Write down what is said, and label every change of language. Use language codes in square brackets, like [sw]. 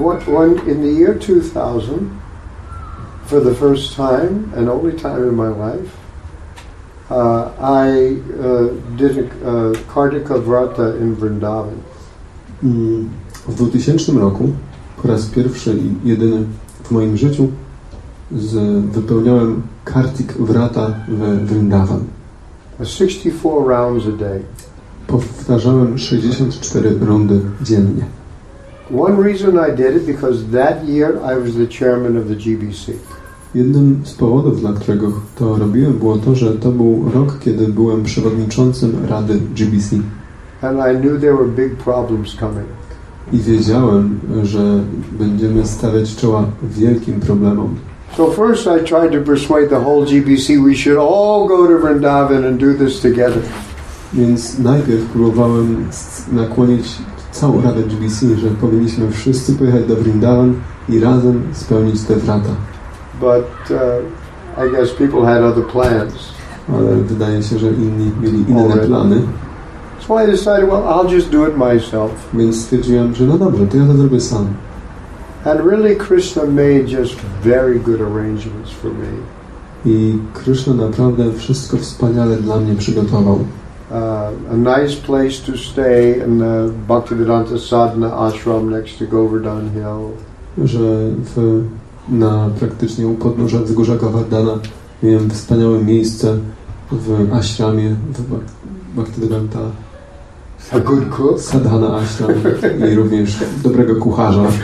[en] When in the year 2000, for the first time and only time in my life, I did a Kartika Vrata in Vrindavan. [pl] W 2000 roku, po raz pierwszy i jedyny w moim życiu, wypełniałem Kartik Vrata w Vrindavan. [en] 64 rounds a day. [pl] Powtarzałem 64 rundy dziennie. [en] One reason I did it because that year I was the chairman of the GBC. [pl] Jednym z powodów, dla którego to robiłem, było to, że to był rok, kiedy byłem przewodniczącym Rady GBC. [en] And I knew there were big problems coming. [pl] I wiedziałem, że będziemy stawiać czoła wielkim problemom. [en] So first I tried to persuade the whole GBC we should all go to Vrindavan and do this together. [pl] Więc najpierw próbowałem nakłonić całą Radę GBC, że powinniśmy wszyscy pojechać do Vrindavan i razem spełnić te wrata. [en] But I guess people had other plans. [pl] Ale wydaje się, że inni mieli inne plany. [en] So I decided, well, I'll just do it myself. [pl] Więc stwierdziłem, że no dobrze, to ja to zrobię sam. [en] And really Krishna made just very good arrangements for me. [pl] I Krishna naprawdę wszystko wspaniale dla mnie przygotował. [en] A nice place to stay in the Bhaktivedanta Sadhana Ashram next to Govardhan Hill. [pl] Że na praktycznie u podnóża wzgórza Govardhana miałem wspaniałe miejsce w ashramie w Bhaktivedanta Sadhana Ashram i również dobrego kucharza.